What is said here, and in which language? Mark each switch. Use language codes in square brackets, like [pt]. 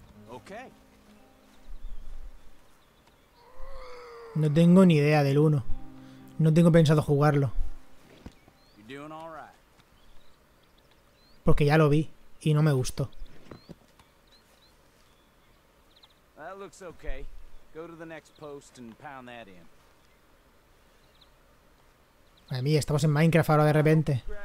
[en] Okay. [es] No tengo ni idea del 1. No tengo pensado jugarlo. [en] You're doing all right. [es] Porque ya lo vi y no me gustó. [en] That looks okay. Go to the next post and pound that in. [es] Madre mía, estamos en Minecraft ahora de repente.